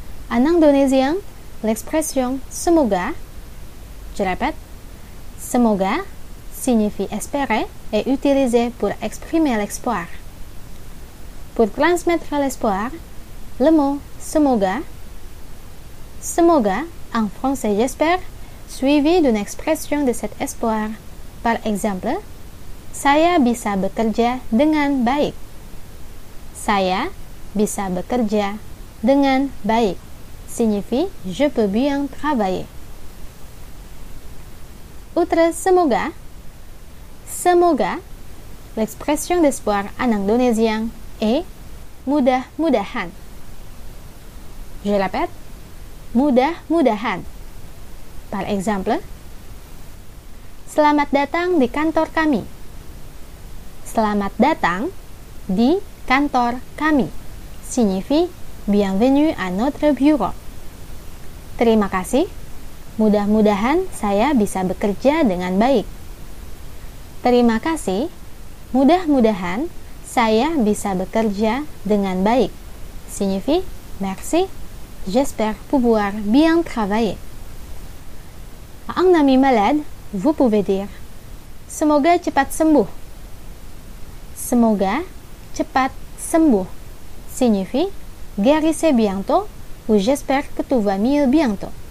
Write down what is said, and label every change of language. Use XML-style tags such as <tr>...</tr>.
<fr>En indonésien, l'expression semoga, je répète, semoga signifie espérer et utilisée pour exprimer l'espoir. Pour transmettre l'espoir, le mot semoga, semoga en français j'espère, suivi d'une expression de cet espoir. Par exemple,</fr> <id>saya bisa bekerja dengan baik. Saya bisa bekerja dengan baik</id> <fr>signifie je peux bien travailler. Outre semoga, semoga l'expression d'espoir en indonésien est mudah-mudahan. Je répète, mudah-mudahan. Par exemple,</fr> <id>selamat datang di kantor kami. Selamat datang di kantor kami</id> <fr>signifie bienvenue à notre bureau.</fr> <id>Terima kasih. Mudah-mudahan saya bisa bekerja dengan baik. Terima kasih. Mudah-mudahan saya bisa bekerja dengan baik.</id> <fr>Signifie merci. J'espère pouvoir bien travailler. En ami malade, vous pouvez dire semoga cepat sembuh. Semoga cepat sembuh signifie guérissez bientôt ou j'espère que tout va mieux bientôt.</fr>